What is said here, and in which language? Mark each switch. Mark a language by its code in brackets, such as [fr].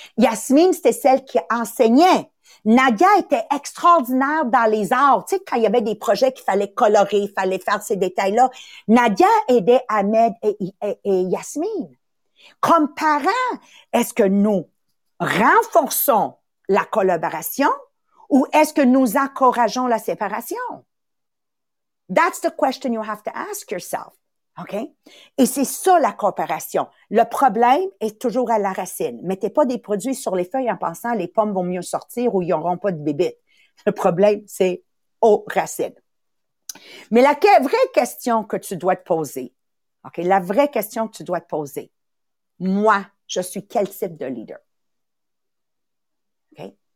[fr] Yasmine, c'était celle qui enseignait. Nadia était extraordinaire dans les arts. Tu sais, quand il y avait des projets qu'il fallait colorer, il fallait faire ces détails-là. Nadia aidait Ahmed et Yasmine. Comme parents, est-ce que nous renforçons la collaboration ou est-ce que nous encourageons la séparation? [en] That's the question you have to ask yourself. [fr] OK? Et c'est ça, la coopération. Le problème est toujours à la racine. Mettez pas des produits sur les feuilles en pensant les pommes vont mieux sortir ou ils n'auront pas de bébites. Le problème, c'est aux racines. Mais la vraie question que tu dois te poser, OK? La vraie question que tu dois te poser, moi, je suis quel type de leader? OK?